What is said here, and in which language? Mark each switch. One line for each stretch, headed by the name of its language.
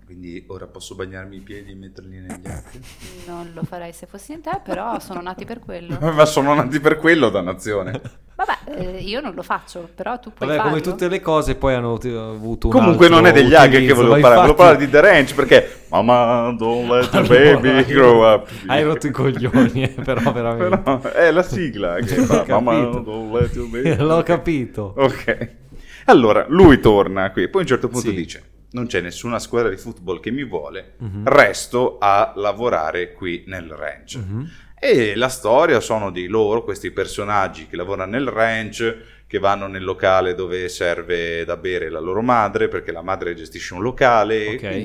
Italian: Quindi ora posso bagnarmi i piedi e metterli negli UGG? Non lo farei se fossi in te, però sono nati per quello. Ma sono nati per quello, dannazione. Vabbè, io non lo faccio, però tu puoi farlo. Come tutte le cose poi hanno avuto un... comunque altro non è degli UGG che volevo parlare, volevo parlare di The Ranch, perché...
English: Mamma, don't let the baby grow up.
Italian: Hai rotto i coglioni, però veramente. Però è la sigla che fa Mamma, don't let your baby... L'ho capito. Ok. Allora, lui torna qui e poi a un certo punto sì. dice non c'è nessuna squadra di football che mi vuole, mm-hmm. resto a lavorare qui nel ranch. Mm-hmm. E la storia sono di loro, questi personaggi che lavorano nel ranch, che vanno nel locale dove serve da bere la loro madre, perché la madre gestisce un locale, okay.